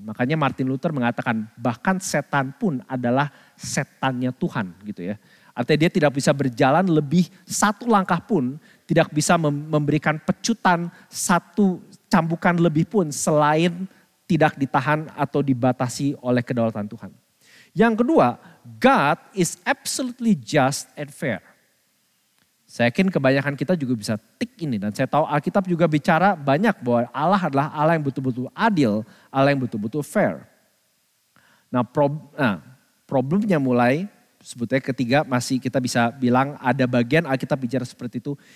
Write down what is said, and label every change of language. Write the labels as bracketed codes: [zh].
[id] Makanya Martin Luther mengatakan bahkan setan pun adalah setannya Tuhan gitu ya. Artinya dia tidak bisa berjalan lebih satu langkah pun, tidak bisa memberikan pecutan satu cambukan lebih pun selain tidak ditahan atau dibatasi oleh kedaulatan Tuhan. Yang kedua, [en] God is absolutely just and fair. [id] Saya yakin kebanyakan kita juga bisa tik ini. Dan saya tahu Alkitab juga bicara banyak bahwa Allah adalah Allah yang betul-betul adil, Allah yang betul-betul fair. Nah, problemnya mulai, sebetulnya ketiga masih kita bisa bilang ada bagian Alkitab bicara seperti itu.